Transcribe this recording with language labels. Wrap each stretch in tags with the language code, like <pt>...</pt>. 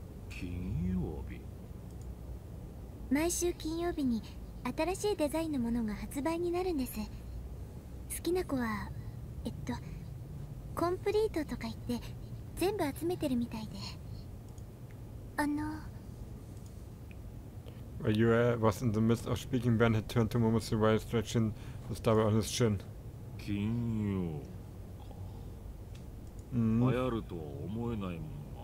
<ja>金曜日、毎週金曜日に新しいデザインのものが発売になるんです。好きな子はコンプリートとか言って全部集めてるみたいで。あの、</ja> <en>While Yue was in the midst of speaking, Ben had turned to Momotsu while stretching the stubble on his chin.</en> <ja>金曜か、流行るとは思えないもん。</ja>